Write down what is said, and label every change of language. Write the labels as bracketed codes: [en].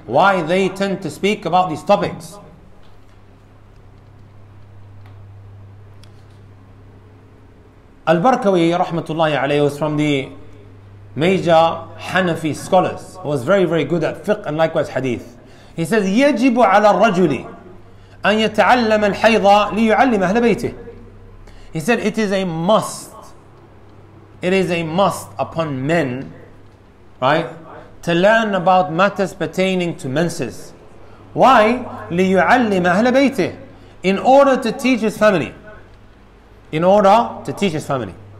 [en] Why they tend to speak about these topics. Al-Barkawi, rahmatullahi alayhi, was from the major Hanafi scholars. He was very, very good at fiqh and likewise hadith. He says, [ar] يَجِبُ عَلَى الرَّجُلِ أَن يَتَعَلَّمَ الْحَيْضَ لِيُعَلِّمَ أَهْلَ بَيْتِهِ. [en] He said, it is a must. It is a must upon men, right, to learn about matters pertaining to menses. Why? [ar] لِيُعَلِّمَ أَهْلَ بَيْتِهِ. [en] In order to teach his family. In order to teach his family.